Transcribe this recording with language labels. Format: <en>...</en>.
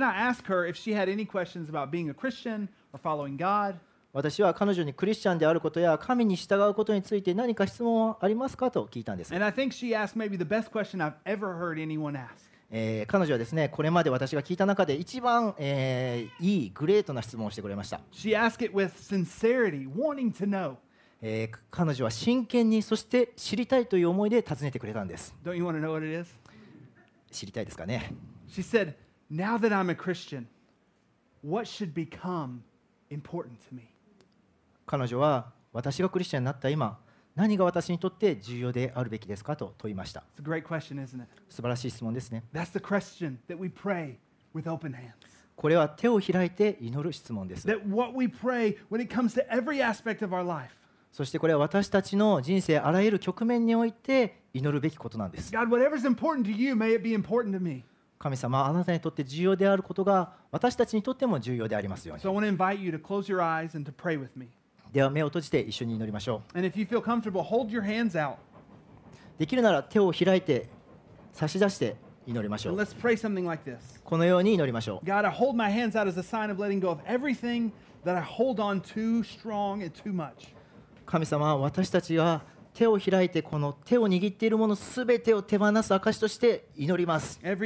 <ja>素敵な祈りを捧げました。そして彼女は素敵な祈りを捧げました。私は彼女にクリスチャンであることや神に従うことについて何か質問はありますかと聞いたんです。</ja> <en>And I think she asked maybe the best question I've ever heard anyone ask.</en> <ja>彼女はですね、これまで私が聞いた中で一番、いいグレートな質問をしてくれました。</ja> <en>She asked it with sincerity, wanting to know.</en> <ja>彼女は真剣にそして知りたいという思いで尋ねてくれたんです。</ja> <en>Don't you want to know what it is?</en> <ja>知りたいですかね。</ja> <en>She said, "Now that I'm a Christian, what should become important to me?"</en> <ja>彼女は私がクリスチャンになった今何が私にとって重要であるべきですかと問いました。</ja> <en>It's a great question, isn't it?</en> <ja>素晴らしい質問ですね。</ja> <en>That's the question that we pray with open hands.</en> <ja>これは手を開いて祈る質問です。</ja> <en>That what we pray when it comes to every aspect of our life.</en> <ja>そしてこれは私たちの人生あらゆる局面において祈るべきことなんです。</ja> <en>God, whatever's important to you, may it be important to me.</en> <ja>神様、あなたにとって重要であることが私たちにとっても重要でありますように。</ja> <en>So I want to invite you to close your eyes and to pray with me.</en> <ja>では目を閉じて一緒に祈りましょう。</ja> <en>And if you feel comfortable, hold your hands out.</en> <ja>できるなら手を開いて差し出して祈りましょう。</ja> <en>And let's pray something like this.</en> <ja>このように祈りましょう。</ja> <en>God, I hold my hands out as a sign of letting go of everything that I hold on too strong and too much.</en> <ja>神様、私たちは手を開いてこの手を握っているものすべてを手放す証として祈ります。</ja>